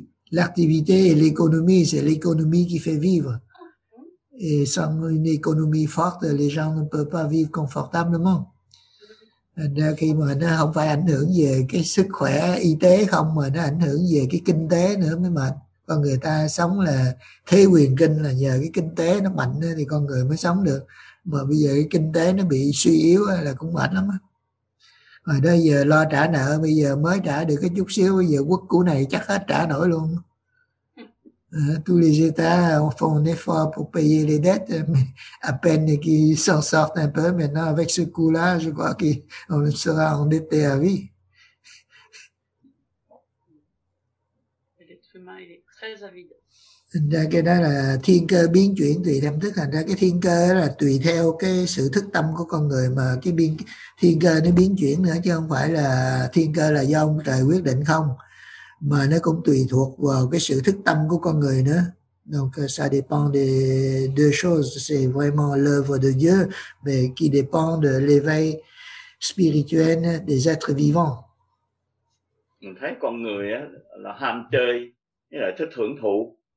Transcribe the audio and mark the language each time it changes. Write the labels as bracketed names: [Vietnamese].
[French] L'activité et l'économie, c'est l'économie qui fait vivre. Et sans une économie forte, les gens ne peuvent pas vivre confortablement. [Vietnamese] Nên khi mà nó không phải ảnh hưởng về cái sức khỏe y tế không, mà nó ảnh hưởng về cái kinh tế nữa mới mệt. Con người ta sống là thế quyền kinh, là nhờ cái kinh tế nó mạnh thì con người mới sống được. Mà bây giờ cái kinh tế nó bị suy yếu là cũng mệt lắm á. Rồi đó giờ lo trả nợ, bây giờ mới trả được cái chút xíu, bây giờ quốc của này chắc hết trả nổi luôn. [French] Tous les États font un effort pour payer les dettes, mais à peine qu'ils s'en sortent un peu. Maintenant, avec ce coup-là, je crois qu'on sera endetté à vie. L'être humain, il est très avide. [Vietnamese] Thành ra cái đó là thiên cơ biến chuyển tùy tâm thức, thành ra cái thiên cơ là tùy theo cái sự thức tâm của con người mà cái biến thiên cơ nó biến chuyển nữa, chứ không phải là thiên cơ là do ông trời quyết định không, mà nó cũng tùy thuộc vào cái sự thức tâm của con người nữa. [French] Donc ça dépend des deux choses, c'est vraiment l'œuvre de Dieu mais qui dépend de l'éveil spirituel des êtres vivants. [Vietnamese] Mình thấy con người là ham chơi, nghĩa là thích hưởng thụ.